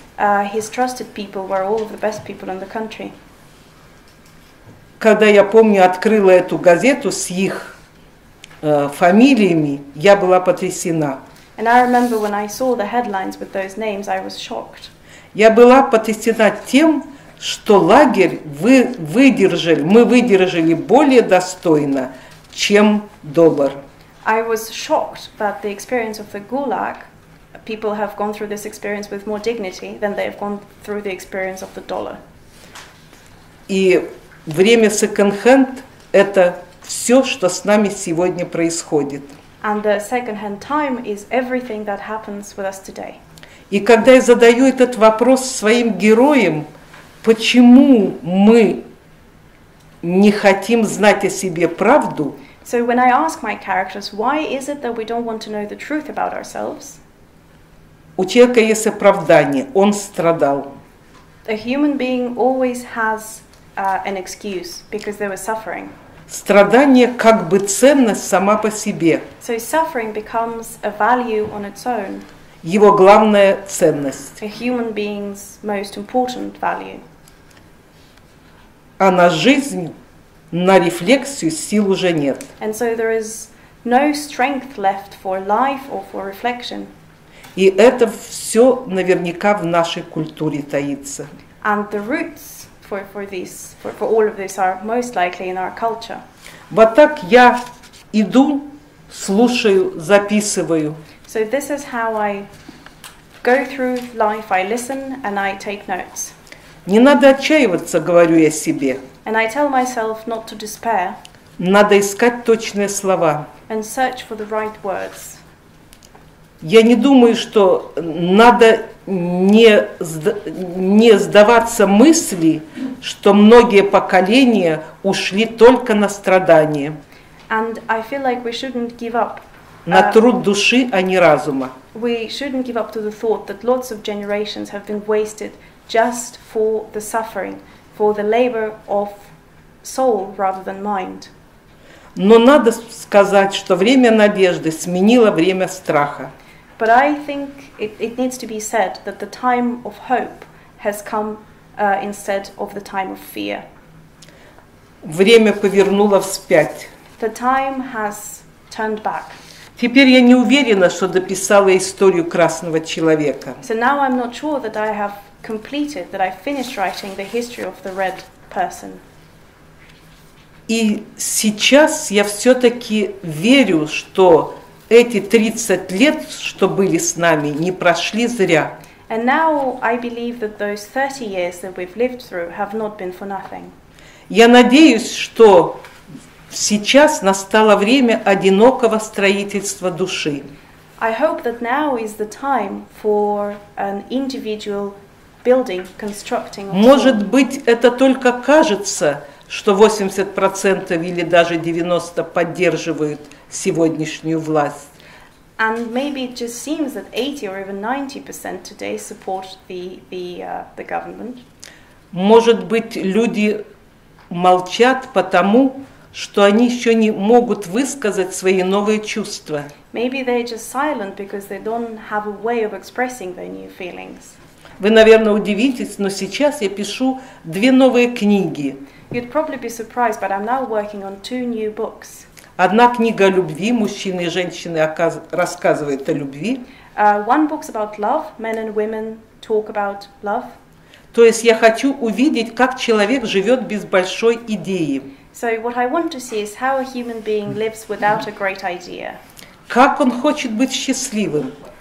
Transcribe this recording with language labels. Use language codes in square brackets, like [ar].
[en] His trusted people were all of the best people in the country. [ru] Когда я помню, открыла эту газету с их фамилиями, я была потрясена. [en] And I remember when I saw the headlines with those names, I was shocked. [ru] Я была потрясена тем, что лагерь мы выдержали более достойно, чем доллар. [en] I was shocked that the experience of the gulag, people have gone through this experience with more dignity than they have gone through the experience of the dollar. [ru] И время секонд-хенд – это все, что с нами сегодня происходит. [en] And the second-hand time is everything that happens with us today. [ru] И когда я задаю этот вопрос своим героям, почему мы не хотим знать о себе правду? [en] So when I ask my characters, why is it that we don't want to know the truth about ourselves? [ru] У человека есть оправдание, он страдал. [en] A human being always has an excuse because there was suffering. [ru] Страдание как бы ценность сама по себе. [en] So suffering becomes a value on its own. [ru] Его главная ценность. [en] A human being's most important value. [ru] А на жизнь, на рефлексию сил уже нет. [en] And so there is no strength left for life or for reflection. [ru] И это все наверняка в нашей культуре таится. [en] And the roots for all of this are most likely in our culture. [ru] Вот так я Иду, слушаю, записываю. [en] So this is how I go through life. I listen and I take notes. [ru] Не надо отчаиваться, говорю я себе. [en] And I tell myself not to despair. [ru] Надо искать точные слова. [en] And search for the right words. [ru] Я не думаю, что надо не сдаваться мысли, что многие поколения ушли только на страдания. [en] And I feel like we shouldn't give up. [ru] На труд души, а не разума. [en] We shouldn't give up to the thought that lots of generations have been wasted just for the suffering, for the labor of soul rather than mind. [ru] Но надо сказать, что время надежды сменило время страха. [en] But I think it needs to be said that the time of hope has come instead of the time of fear. [ru] Время повернуло вспять. [en] The time has turned back. [ru] Теперь я не уверена, что дописала историю красного человека. [en] So now I'm not sure that I have completed, that I finished writing the history of the red person. [ru] И сейчас я все-таки верю, что эти 30 лет, что были с нами, не прошли зря. [en] And now I believe that those 30 years that we've lived through have not been for nothing. [ru] Я надеюсь, что сейчас настало время одинокого строительства души. [en] I hope that now is the time for an individual building, constructing. [ru] Может быть, это только кажется, что 80% или даже 90% поддерживают сегодняшнюю власть. [en] And maybe it just seems that 80 or even 90% today support the government. [ru] Может быть, люди молчат потому, что они еще не могут высказать свои новые чувства. [en] Maybe they're just silent because they don't have a way of expressing their new feelings. [ru] Вы, наверное, удивитесь, но сейчас я пишу две новые книги. [en] You'd probably be surprised, but I'm now working on two new books. [ru] Одна книга о любви, мужчины и женщины рассказывает о любви. [en] One book's about love, men and women talk about love. [ru] То есть я хочу увидеть, как человек живет без большой идеи. [en] So what I want to see is how a human being lives without a great idea. [ru] Как он хочет быть счастливым?